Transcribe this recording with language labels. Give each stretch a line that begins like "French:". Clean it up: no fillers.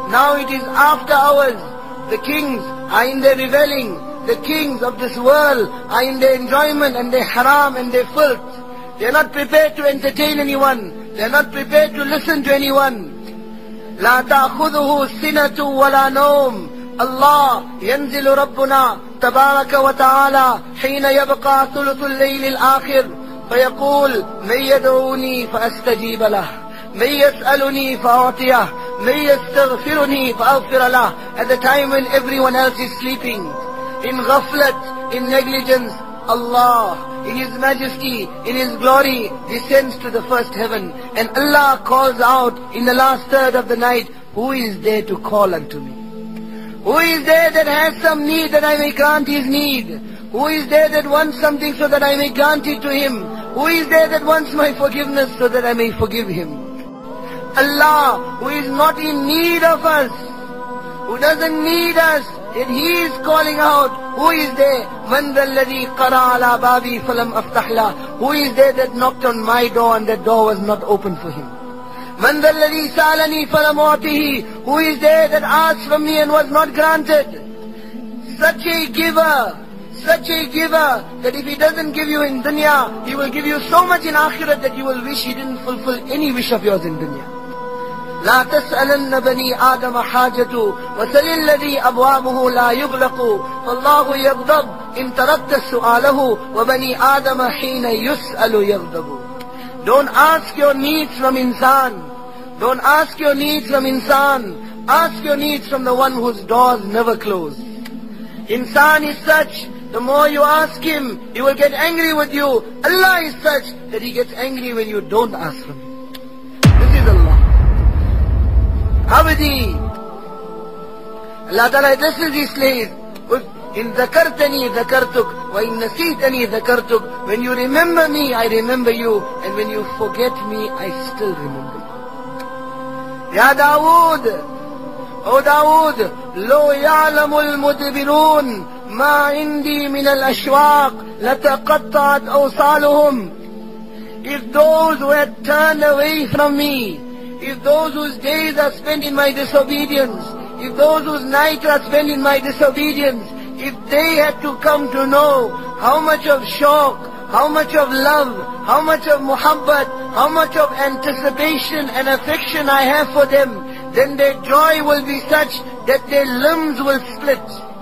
English: Now it is after hours. The kings are in their reveling. The kings of this world are in their enjoyment and their haram and their filth. They are not prepared to entertain anyone. They are not prepared to listen to anyone.
Arabic: لا تأخذه سنة ولا نوم. الله ينزل ربنا تبارك وتعالى حين يبقى ثلث الليل الآخر فيقول من يدعوني فأستجيب له. من يسألني فأعطيه. من يستغفرني فأغفر له.
English: At the time when everyone else is sleeping, in ghaflat, in negligence, Allah, in His majesty, in His glory, descends to the first heaven. And Allah calls out in the last third of the night, who is there to call unto me? Who is there that has some need that I may grant his need? Who is there that wants something so that I may grant it to him? Who is there that wants my forgiveness so that I may forgive him? Allah, who is not in need of us, who doesn't need us, yet He is calling out, who is there?
Arabic: من الذي قرى على بابي فلم أفتح له.
English: Who is there that knocked on my door and that door was not open for him?
Arabic: من الذي سألني فلم أعطه.
English: Who is there that asked from me and was not granted? Such a giver, such a giver, that if He doesn't give you in dunya, He will give you so much in akhirat that you will wish He didn't fulfill any wish of yours in dunya.
Arabic: لا تسألن بني آدم حاجة وسل الذي أبوابه لا يغلق فالله يغضب إن تردت سؤاله وبني آدم حين يسأل يغضب.
English: Don't ask your needs from insan. Don't ask your needs from insan. Ask your needs from the one whose doors never close. Insan is such, the more you ask him, he will get angry with you. Allah is such that he gets angry when you don't ask him. This is Allah. Abdi. Allah Ta'ala, this is his slave.
Arabic: In ذكرتني ذكرتك وإن نسيتني ذكرتك.
English: When you remember me, I remember you. And when you forget me, I still remember you.
Arabic: Ya Dawood,
English: O Dawood,
Arabic: لو يعلم المدبرون ما عندي من الأشواق لتقطعت أوصالهم.
English: If those who had turned away from me, if those whose days are spent in my disobedience, if those whose nights are spent in my disobedience, if they had to come to know how much of shauk, how much of love, how much of muhabbat, how much of anticipation and affection I have for them, then their joy will be such that their limbs will split.